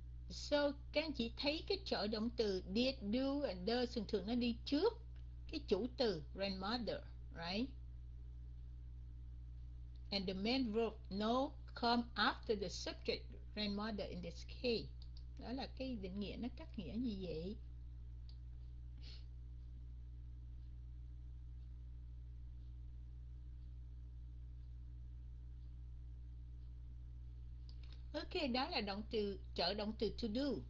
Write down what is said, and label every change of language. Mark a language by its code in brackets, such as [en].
[vi] So các anh chị thấy cái chỗ động từ did, do and does thường nó đi trước cái chủ từ grandmother, [en] right? And the main verb no come after the subject grandmother in this case. [vi] Đó là cái định nghĩa, nó cắt nghĩa như vậy. Ok, đó là động từ trợ động từ to do.